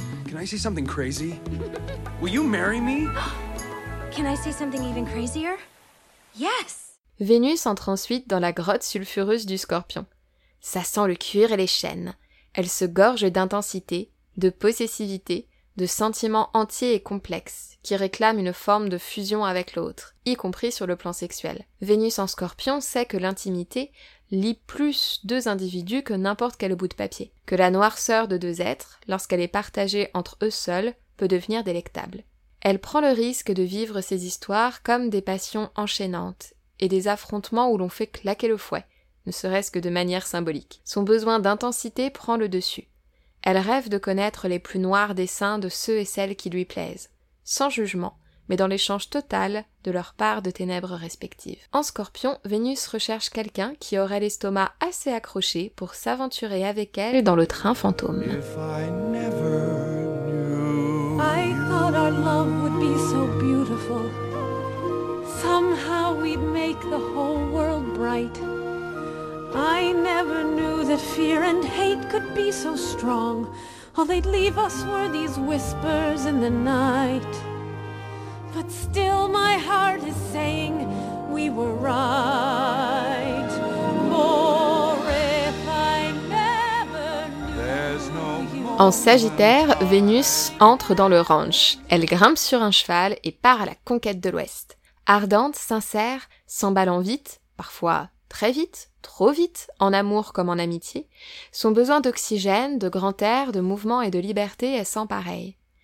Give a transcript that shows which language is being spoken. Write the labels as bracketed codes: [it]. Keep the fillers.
[en] Can I say something crazy? Will you marry me? Can I say something even crazier? Yes! [fr] Vénus entre ensuite dans la grotte sulfureuse du scorpion. Ça sent le cuir et les chênes. Elle se gorge d'intensité, de possessivité, de sentiments entiers et complexes, qui réclament une forme de fusion avec l'autre, y compris sur le plan sexuel. Vénus en scorpion sait que l'intimité lie plus deux individus que n'importe quel bout de papier, que la noirceur de deux êtres, lorsqu'elle est partagée entre eux seuls, peut devenir délectable. Elle prend le risque de vivre ces histoires comme des passions enchaînantes et des affrontements où l'on fait claquer le fouet, ne serait-ce que de manière symbolique. Son besoin d'intensité prend le dessus. Elle rêve de connaître les plus noirs desseins de ceux et celles qui lui plaisent, sans jugement, mais dans l'échange total de leur part de ténèbres respectives. En scorpion, Vénus recherche quelqu'un qui aurait l'estomac assez accroché pour s'aventurer avec elle dans le train fantôme. [en] If I never knew. I thought our love would be so beautiful. Somehow we'd make the whole world bright. I never knew that fear and hate could be so strong. All they'd leave us were these whispers in the night. But still, my heart is saying we were right. For if I never knew. There's no more. [fr] En Sagittaire, Vénus entre dans le ranch. Elle grimpe sur un cheval et part à la conquête de l'Ouest. Ardente, sincère, s'emballant vite, parfois très vite, trop vite, en amour comme en amitié, son besoin d'oxygène, de grand air, de mouvement et de liberté est sans pareil.